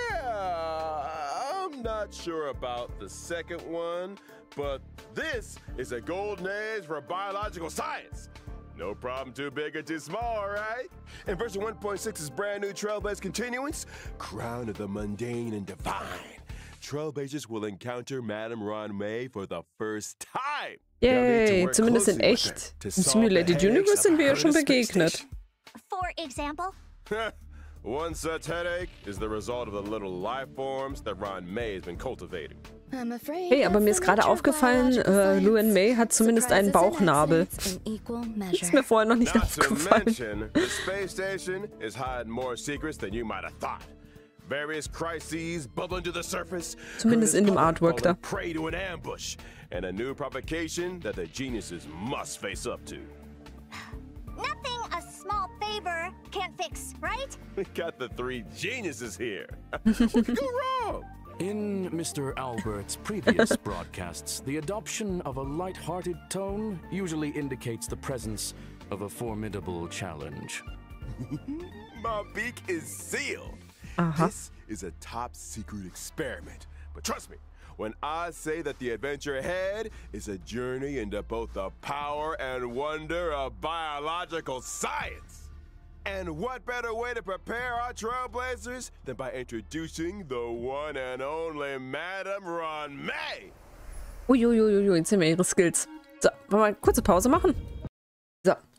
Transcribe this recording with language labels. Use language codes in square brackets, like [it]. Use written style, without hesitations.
[en] Yeah, I'm not sure about the second one, but this is a golden age for biological science. No problem too big or too small, right? In version 1.6 is brand new Trailblazer continuance, crown of the mundane and divine. Trailblazers will encounter Madame Ronmei for the first time. [de] Yay, zumindest in echt. In Simulated Universe sind wir ja schon begegnet. [en] For example? One such headache is the result of the little life forms that Ronmei has been cultivating. [de] Hey, aber mir ist gerade aufgefallen, Luan May hat zumindest einen Bauchnabel. Das ist mir vorher noch nicht aufgefallen. [en] The space station is hiding more secrets than you might have thought. Various crises bubbling to the surface. [de] Zumindest in dem Artwork da. [en] Prey to an ambush and a new provocation that the geniuses must face up to. Nothing a small favor can't fix, right? We got the three geniuses here. What could go wrong? In Mr. Albert's previous broadcasts, the adoption of a light-hearted tone usually indicates the presence of a formidable challenge. My beak is sealed. This is a top secret experiment. But trust me, when I say that the adventure ahead is a journey into both the power and wonder of biological science. And what better way to prepare our trailblazers than by introducing the one and only Madame Ronmei? [de] Uiuiuiui, jetzt haben wir ihre Skills. So, wollen wir mal eine kurze Pause machen? So.